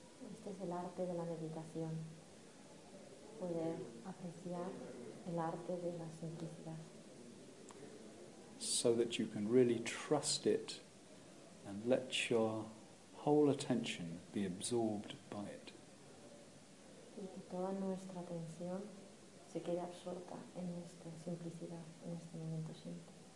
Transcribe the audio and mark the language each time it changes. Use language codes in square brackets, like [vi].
[es] Este es el arte de la meditación. Poder apreciar el arte de la simplicidad. [en] So that you can really trust it and let your whole attention be absorbed by it. [es] Y que toda nuestra atención se quede absorta en esta simplicidad, en este momento simple.